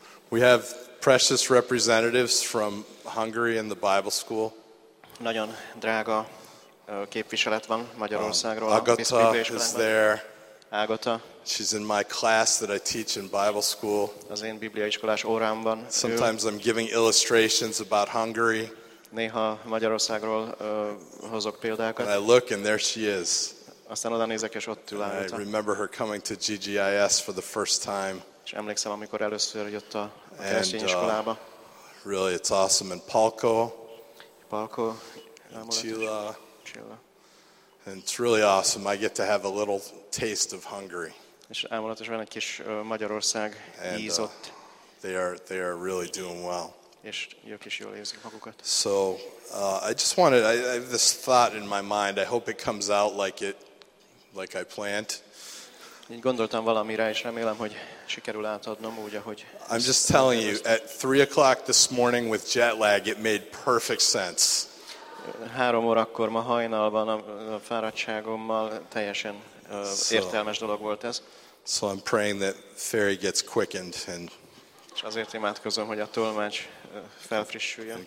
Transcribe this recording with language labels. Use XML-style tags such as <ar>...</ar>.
<en>We have precious representatives from Hungary in the Bible school.</en> <hu>Nagyon drága képviselet van Magyarországról.</hu> <en>Agata is there.</en> <hu>Agata.</hu> <en>She's in my class that I teach in Bible school.</en> <hu>Az én bibliaiskolás órámban.</hu> <en>Sometimes I'm giving illustrations about Hungary.</en> <hu>Néha Magyarországról hozok példákat.</hu> <en>And I look and there she is.</en> <hu>Aztán oda nézek, és ott ül állt.</hu> <en>I remember her coming to GGIS for the first time.</en> <hu>És emlékszem, amikor először jött a keresztény iskolába.</hu> <en>Really, it's awesome. And Palko.</en> <hu>Palko.</hu> <en>Chila. And it's really awesome. I get to have a little taste of Hungary.</en> <hu>És álmodatos, van egy kis Magyarország íz ott.</hu> <en>They are really doing well.</en> <hu>És ők is jól érzik magukat.</hu> <en>So, I just wanted, I have this thought in my mind. I hope it comes out like I planned.</en> <hu>Így gondoltam valamire, és remélem, hogy sikerül átadnom úgy, ahogy.</hu> <en>I'm just telling you, at 3:00 this morning with jet lag, it made perfect sense.</en> <hu>3 órakor ma hajnalban a fáradtságommal teljesen értelmes dolog volt ez.</hu> <en>So I'm praying that Ferry gets quickened and.</en> <hu>És azért imádkozom, hogy a tolmács felfrissüljön.</hu>